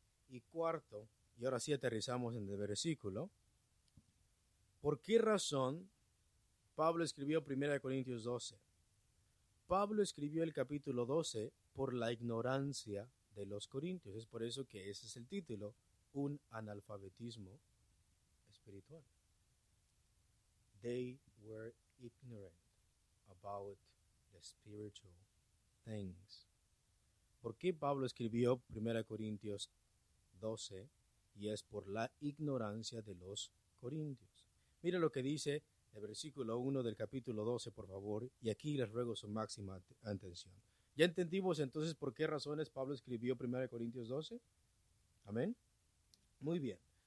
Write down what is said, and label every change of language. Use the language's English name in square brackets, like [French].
[Spanish] Y cuarto, y ahora sí aterrizamos en el versículo. ¿Por qué razón Pablo escribió 1 Corintios 12? Pablo escribió el capítulo 12 por la ignorancia de los corintios. Es por eso que ese es el título, un analfabetismo espiritual. [English] They were ignorant about the spiritual things. [Spanish] ¿Por qué Pablo escribió 1 Corintios 12? Y es por la ignorancia de los corintios. Mira lo que dice el versículo 1 del capítulo 12, por favor, y aquí les ruego su máxima atención. ¿Ya entendimos entonces por qué razones Pablo escribió 1 Corintios 12? ¿Amén? Muy bien.